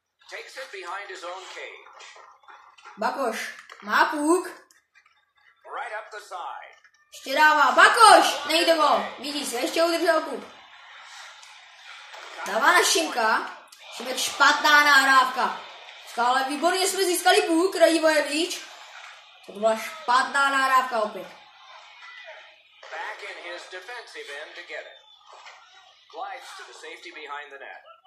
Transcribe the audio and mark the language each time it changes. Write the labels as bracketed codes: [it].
[en] Takes it behind his own cage. [cs] Bakoš, má puk. [en] Right up the side. [cs] Ještě dává, Bakoš, nejde gol. Vidíš, ještě udržel puk. Dává na Šimka. Šimek, špatná nahrávka. Ale výborně jsme získali puk, Radivojevič. To byla špatná nahrávka opět. [en] Back in his defensive end to get it. Glides to the safety behind the net.